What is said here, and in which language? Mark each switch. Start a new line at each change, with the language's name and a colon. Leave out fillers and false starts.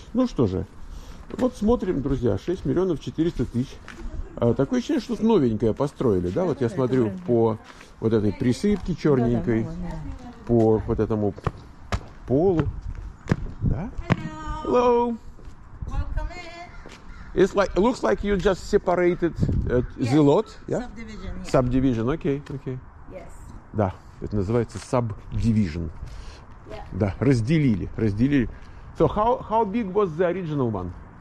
Russian: Ну что же, вот смотрим, друзья, 6 миллионов 400 тысяч. Такое ощущение, что новенькое построили, да? Вот я смотрю по вот этой присыпке черненькой, по вот этому полу, да?
English: Hello! It's like, looks like you just separated the lot. Yeah? Subdivision. Yeah. Subdivision, okay, okay. Yes.
Russian: Да, это называется subdivision.
English: Yeah.
Russian: Да, разделили.
English: So how big was the original one?